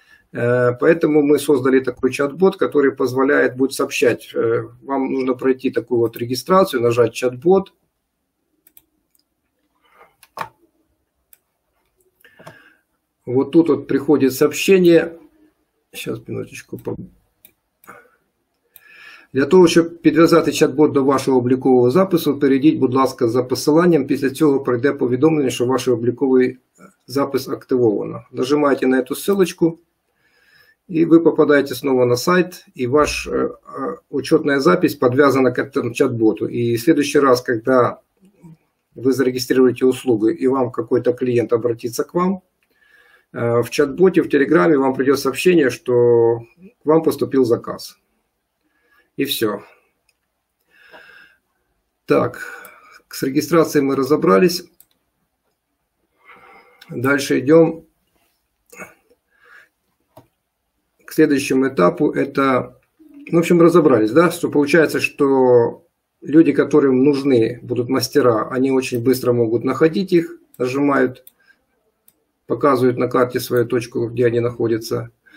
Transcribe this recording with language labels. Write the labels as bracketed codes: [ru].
[ru] Поэтому мы создали такой чат-бот, который позволяет, будет сообщать. Вам нужно пройти такую вот регистрацию, нажать чат-бот. Вот тут вот приходит сообщение. Сейчас, минуточку. [uk] Для того, щоб підв'язати чат-бот до вашого облікового запису, перейдіть, будь ласка, за посиланням. Після цього прийде повідомлення, що ваш обліковий запис активовано. Нажимаєте на цю [ru] ссылочку, [uk] і ви попадаєте знову на сайт, і ваша [ru] учетна запись [uk] підв'язана [ru] к этому [uk] чат-боту. І [ru] в следующий раз, [uk] коли ви зарегістрируєте услуги, і вам [ru] какой-то [uk] клієнт [ru] обратиться к вам, [uk] в чат-боті, в Телеграмі вам прийде [ru] сообщение, [uk] що [ru] к вам [uk] поступив [ru] заказ. И все. Так, с регистрацией мы разобрались. Дальше идем к следующему этапу. Это, в общем, разобрались, да, что получается, что люди, которым нужны будут мастера, они очень быстро могут находить их, нажимают, показывают на карте свою точку, где они находятся.